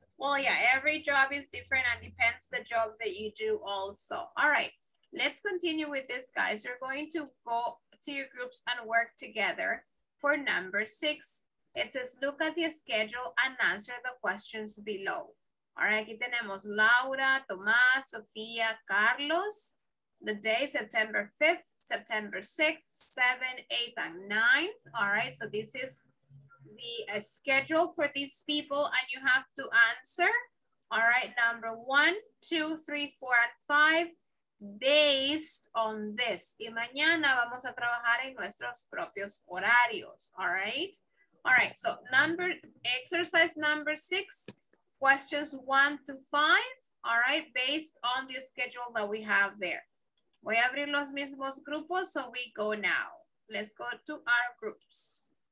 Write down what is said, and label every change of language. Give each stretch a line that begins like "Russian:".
English: Well, yeah, every job is different and depends the job that you do also. All right, let's continue with this, guys. You're going to go to your groups and work together for number 6. It says, look at the schedule and answer the questions below. All right,
Spanish: aquí tenemos Laura, Tomás, Sofía, Carlos.
English: The day, September 5th, September 6th, 7th, 8th, and 9th. All right, so this is the schedule for these people and you have to answer. All right, number 1, 2, 3, 4, and 5, based on this.
Spanish: Y mañana vamos a trabajar en nuestros propios horarios.
English: All right. All right, so exercise number 6, questions 1 to 5, all right, based on the schedule that we have there.
Spanish: Voy a abrir los mismos grupos,
English: so we go now. Let's go to our groups.